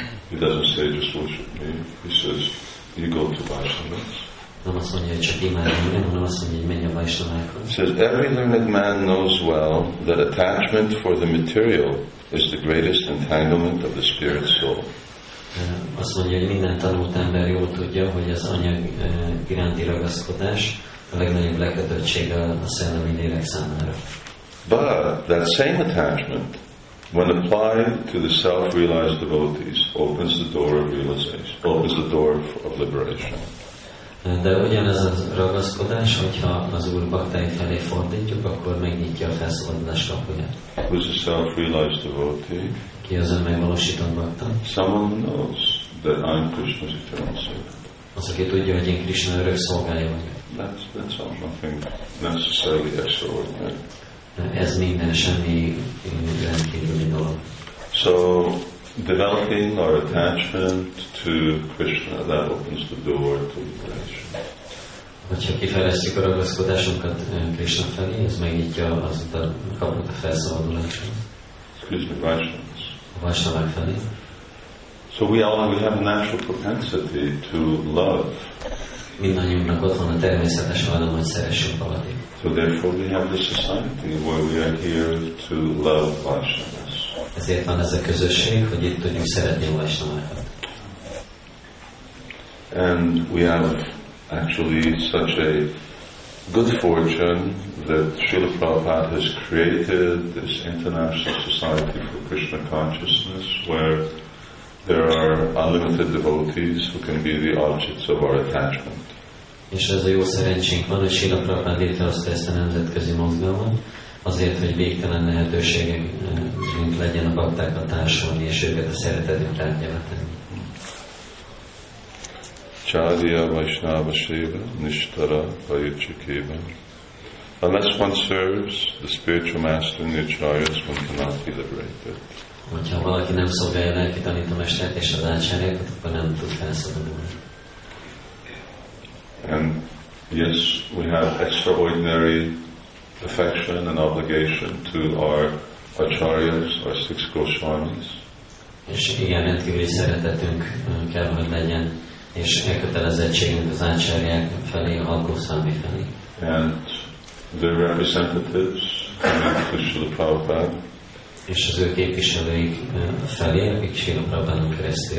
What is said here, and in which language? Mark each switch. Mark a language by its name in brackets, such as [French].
[English] He doesn't say just worship me, he says you go to Vaishnavas. [Hungarian] Nem azt mondja, hogy csak imádni, hanem azt mondja, hogy menj a Vaishnavákhoz. [English] Says every learned man knows well that attachment for the material is the greatest entanglement of the spirit soul. [Hungarian] Azt mondja, hogy minden tanult ember jól tudja, hogy az anyag iránti ragaszkodás a legnagyobb lekötöttség a szellemi lélek számára. [English] But that same attachment, when applied to the self-realized devotees, opens the door of realization, opens the door of liberation. [Hungarian] De ugyanez a ragaszkodás, hogyha az Úr baktáj felé fordítjuk, akkor megnyitja a felszabadulás kapuját. [English] Who's a self-realized devotee? [Hungarian] Ki az önmegvalósított bakta? [English] Someone who knows that I'm Krishna's eternal servant. [Hungarian] Az, aki tudja, hogy én Krishna örök szolgálja vagyok. [English] That's all nothing necessarily extraordinary. [Hungarian] Ez minden semmi rendkívüli dolog. [English] So, developing our attachment to Krishna, that opens the door to liberation. [Hungarian] Hogyha kifejlesztjük a ragaszkodásunkat Krishna felé, ez megnyitja az utat, kapunk a felszabadulásra. [English] Excuse me, Vaishnavas. [Hungarian] A Vaishnavák felé. [English] So we have a natural propensity to love. [Hungarian] Mindannyiunknak ott van a természetes vágyam, hogy szeressünk valakit. [English] So therefore we have this society where we are here to love Vaishnavas. [Hungarian] Ezért van ez a közösség, hogy itt tudjuk szeretni a Vaishnavákat. [English] And we have actually such a good fortune that Srila Prabhupada has created this international society for Krishna consciousness where there are unlimited devotees who can be the objects of our attachment. [Hungarian] És ez a jó szerencsénk van, hogy Srila Prabhupada létrehozta ezt a nemzetközi mozgalmat, azért, hogy végtelen lehetőségünk legyen a baktákat társulni, és őket a szeretetünk tárgyalatni. [Bangla] Chadiya Vaishnava Seva Nishtara Vajuchikeva. [English] Unless one serves the spiritual master and the acharyas, one cannot be liberated. [Hungarian] Hogyha valaki nem szolgálja a lelki tanítomestert és az ácsárjákat, akkor nem tud felszabadulni. [English] And yes, we have extraordinary affection and obligation to our acharyas, our six goswamis. [Hungarian] És igen, rendkívüli szeretetünk kell, hogy legyen, és elkötelezettségünk az ácsárják felé, a hat goswami felé. [English] And their representatives, Krishna Prabhupada. [Hungarian] És az ő képviselőik felé, akik Srila Prabhupada keresztül.